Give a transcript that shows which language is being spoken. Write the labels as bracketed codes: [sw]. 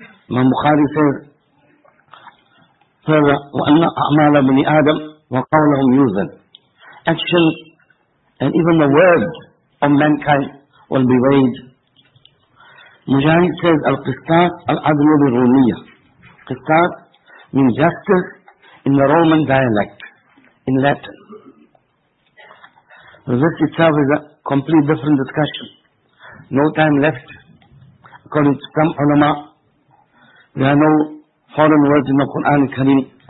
[en] Imam Bukhari says, further, [ar] وَأَنَّ أَعْمَالَ بْنِ آدَمَ وَقَوْلَهُمْ يُوزَنْ. [en] Actions and even the words of mankind will be weighed. Mujahid says, [ar] الْقِسْطَاطُ الْعَدْلُ بِالرُّومِيَّةِ. [en] Qistat means justice in the Roman dialect, in Latin. This itself is a complete different discussion. No time left. According to some ulama, there are no foreign words in the Quran Kareem.